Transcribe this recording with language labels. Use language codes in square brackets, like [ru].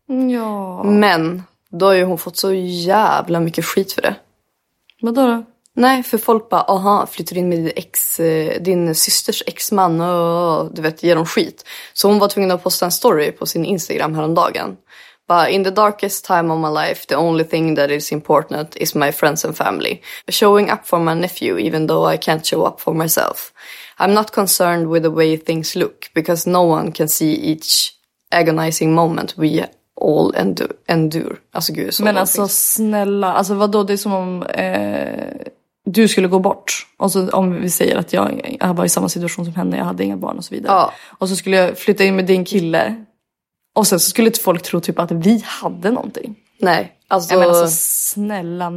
[sv] Ja. Men då har ju hon fått så jävla mycket skit för det. Vadå då? Nej, för folk bara, aha, flyttar in med din systers exman och du vet, ger dem skit. Så hon var tvungen att posta en story på sin Instagram häromdagen. [en] But in the darkest time of my life, the only thing that is important is my friends and family. Showing up for my nephew, even though I can't show up for myself. I'm not concerned with the way things look, because no one can see each agonizing moment we all endure. [sv] Alltså, gud, så men alltså, things. Snälla. Alltså, vadå? Det är som om du skulle gå bort. Och så, om vi säger att jag var i samma situation som henne, jag hade inga barn och så vidare. Ja. Och så skulle jag flytta in med din kille. Och sen så skulle folk tro typ att vi hade någonting. Nej, alltså... Jag menar så snälla